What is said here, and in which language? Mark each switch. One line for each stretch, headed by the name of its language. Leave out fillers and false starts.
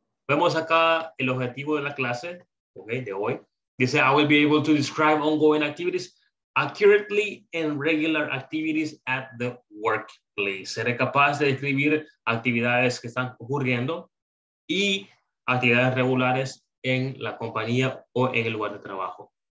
Spanish: Vemos acá el objetivo de la clase, okay, de hoy.
English: He said, I will be able to describe ongoing activities accurately and regular activities at the workplace.
Spanish: Seré capaz de describir actividades que están ocurriendo y actividades regulares en la compañía o en el lugar de trabajo.